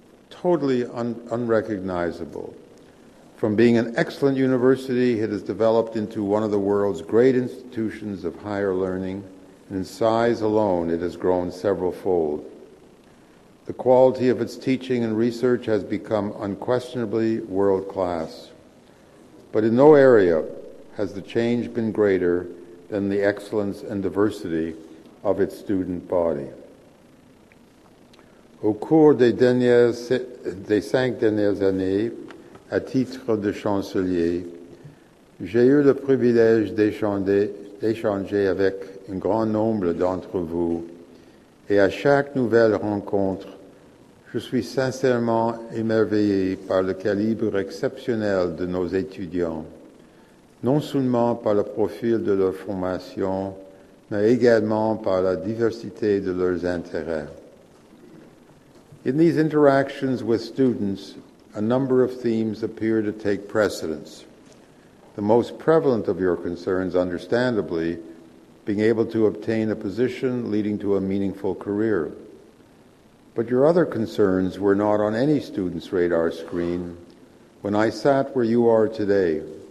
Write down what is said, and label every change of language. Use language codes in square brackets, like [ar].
[en] totally unrecognizable. From being an excellent university, it has developed into one of the world's great institutions of higher learning, and in size alone, it has grown several fold. The quality of its teaching and research has become unquestionably world class. But in no area has the change been greater than the excellence and diversity of its student body. [fr] Au cours des cinq dernières années, à titre de chancelier, j'ai eu le privilège d'échanger avec un grand nombre d'entre vous, et à chaque nouvelle rencontre, je suis sincèrement émerveillé par le calibre exceptionnel de nos étudiants, non seulement par le profil de leur formation, mais également par la diversité de leurs intérêts. [en] In these interactions with students, a number of themes appear to take precedence. The most prevalent of your concerns, understandably, being able to obtain a position leading to a meaningful career. But your other concerns were not on any student's radar screen when I sat where you are today.